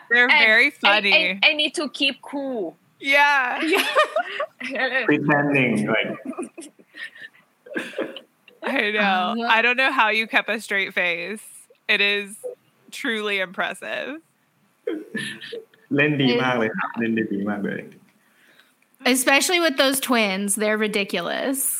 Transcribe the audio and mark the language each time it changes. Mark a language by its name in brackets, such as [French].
[English] they're and, very funny I need to keep cool yeah pretending like I know I don't know how you kept a straight face it is truly impressive. [Thai] เล่นดีมากเลยครับเล่นได้ดีมากเลย [English] Especially with those twins they're ridiculous